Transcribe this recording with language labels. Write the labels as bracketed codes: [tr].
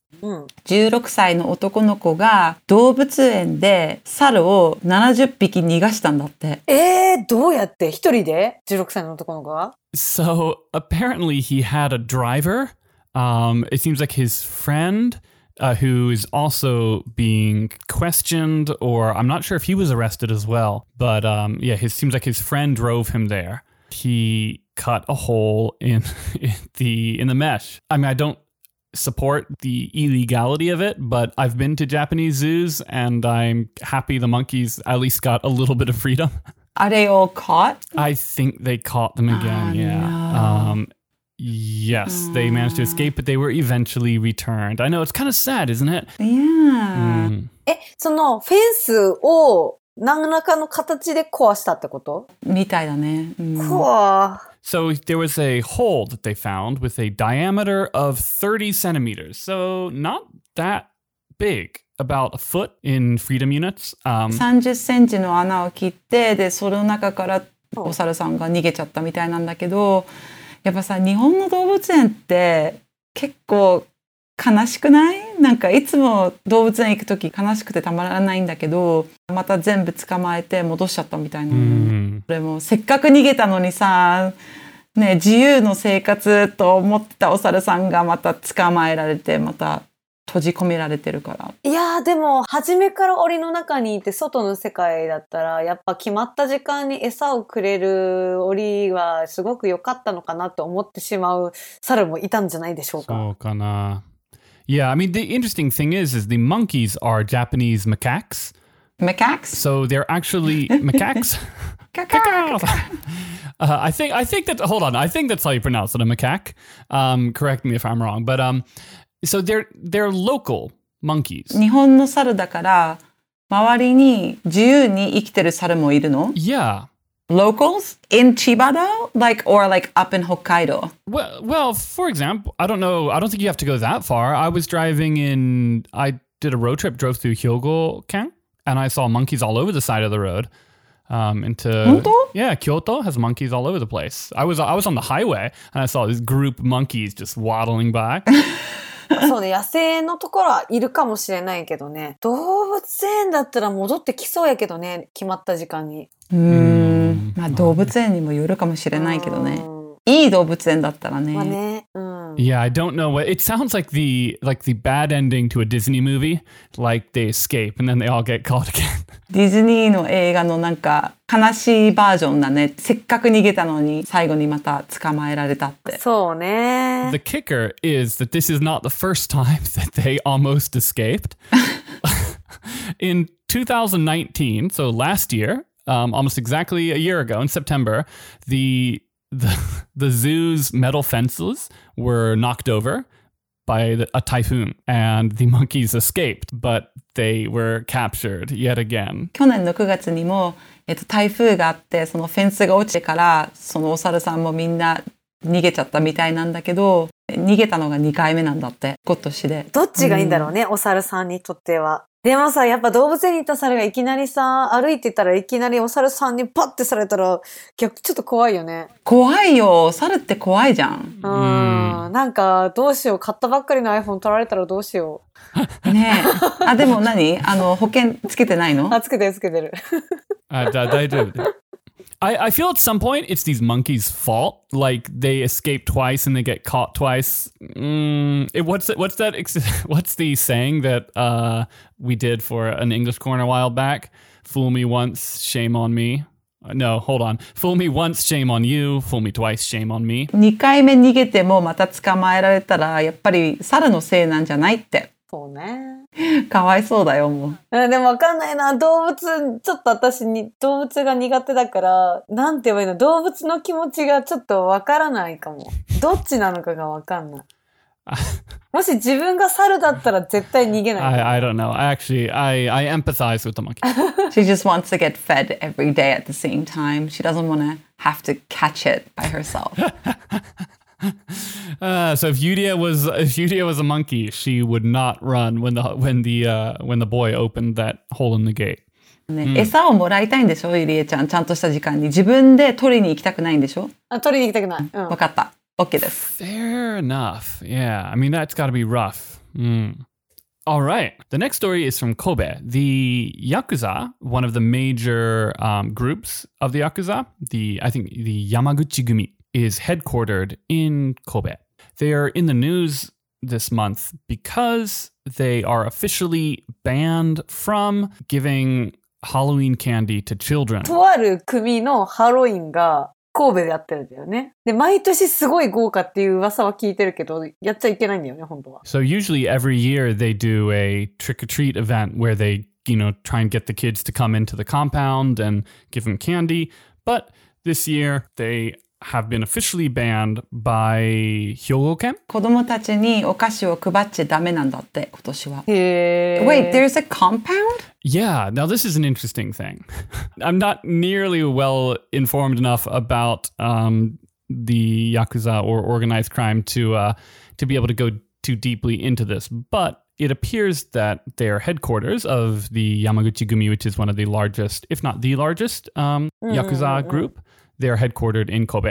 [ja] 16歳の男の子が動物園で猿を70匹逃がしたんだって。どうやって一人で16歳の男の子は [en] ?So apparently he had a driver. It seems like his friend, who is also being questioned, or I'm not sure if he was arrested as well. But yeah, it seems like his friend drove him there. He... cut a hole in the mesh. I mean, I don't support the illegality of it, but I've been to Japanese zoos and I'm happy the monkeys at least got a little bit of freedom. Are they all caught? I think they caught them again, yeah. No. Yes, they managed to escape, but they were eventually returned. I know, it's kind of sad, isn't it? Yeah. [ja] そのフェンスを何らかの形で壊したってこと? みたいだね。 [en] So there was a hole that they found with a diameter of 30 centimeters. So not that big, about a foot in freedom units. 30 centimeters [ja] の穴を切って、で、その中からお猿さんが逃げちゃったみたいなんだけど、やっぱさ、日本の動物園って結構悲しくない? なんかいつも動物園行くとき悲しくてたまらないんだけど、また全部捕まえて戻しちゃったみたいな。でもせっかく逃げたのにさ、ね、自由の生活と思ってたお猿さんがまた捕まえられて、また閉じ込められてるから。いやでも初めから檻の中にいて外の世界だったら、やっぱ決まった時間に餌をくれる檻はすごく良かったのかなと思ってしまう猿もいたんじゃないでしょうか。そうかな。 [en] Yeah, I mean, the interesting thing is the monkeys are Japanese macaques. Macaques? So they're actually macaques? I think that's how you pronounce it, a macaque. Correct me if I'm wrong. But so they're local monkeys. [ja] 日本の猿だから、周りに自由に生きてる猿もいるの? [en] Yeah. Locals in Chiba though? Like, or like up in Hokkaido? Well, for example, I don't know. I don't think you have to go that far. I did a road trip, drove through Hyogo-ken, and I saw monkeys all over the side of the road. Yeah, Kyoto has monkeys all over the place. I was on the highway and I saw this group of monkeys just waddling by. [ja] そうね、野生のところはいるかもしれないけどね。動物園だったら戻ってきそうやけどね、決まった時間に。まあ動物園にもよるかもしれないけどね。いい動物園だったらね。まあね。 [en] Yeah, I don't know. It sounds like the bad ending to a Disney movie. Like they escape and then they all get caught again. [ja] ディズニーの映画のなんか悲しいバージョンだね。せっかく逃げたのに最後にまた捕まえられたって。そうね。 [en] The kicker is that this is not the first time that they almost escaped. In 2019, so last year, almost exactly a year ago in September, the zoo's metal fences were knocked over by a typhoon and the monkeys escaped, but they were captured yet again. [ja] 去年の9月にも、台風があって、そのフェンスが落ちてから、そのお猿さんもみんな逃げちゃったみたいなんだけど、逃げたのが2回目なんだって、今年で。どっちがいいんだろうね、お猿さんにとっては。でもさ、やっぱ動物園に行った猿がいきなりさ、歩いてたらいきなりお猿さんにパッてされたら、逆ちょっと怖いよね。怖いよ。猿って怖いじゃん。なんか、どうしよう。買ったばっかりの iPhone 取られたらどうしよう。ねえ。あ、でも何? あの、保険つけてないの? あ、つけてる、つけてる。大丈夫。 [en] I feel at some point it's these monkeys' fault. Like they escape twice and they get caught twice. What's the saying that we did for an English corner a while back? Fool me once, shame on me. No, hold on. Fool me once, shame on you. Fool me twice, shame on me. [ja] 2回目逃げてもまた捕まえられたらやっぱり猿のせいなんじゃないって。そうね。かわいそうだよ、もう。でもわかんないな。動物、ちょっと私に、動物が苦手だから、なんて言えばいいの？動物の気持ちがちょっとわからないかも。どっちなのかがわかんない。もし自分が猿だったら絶対逃げない。 [en] I don't know. I empathize with the monkey. She just wants to get fed every day at the same time. She doesn't want to have to catch it by herself. So if Yuria was a monkey, she would not run when the boy opened that hole in the gate. [ja] 餌をもらいたいんでしょ、ユリエちゃん。ちゃんとした時間に自分で取りに行きたくないんでしょ。取りに行きたくない。わかった。 [en] Okay, this. Fair enough. Yeah, I mean, that's got to be rough. All right. The next story is from Kobe. The Yakuza, one of the major groups of the Yakuza, I think the Yamaguchi Gumi, is headquartered in Kobe. They are in the news this month because they are officially banned from giving Halloween candy to children. [ja] とある組のハロウィンが神戸でやってるんだよね。で、毎年すごい豪華っていう噂は聞いてるけど、やっちゃいけないんだよね、本当は。 [en] So usually every year they do a trick or treat event where they, you know, try and get the kids to come into the compound and give them candy. But this year they have been officially banned by 兵庫県。 [ja] 子供たちにお菓子を配っちゃダメなんだって、今年は。へー。 [en] Wait, there's a compound? Yeah, now this is an interesting thing. I'm not nearly well informed enough about the Yakuza or organized crime to be able to go too deeply into this. But it appears that their headquarters of the Yamaguchi Gumi, which is one of the largest, if not the largest, Yakuza group, they're headquartered in Kobe.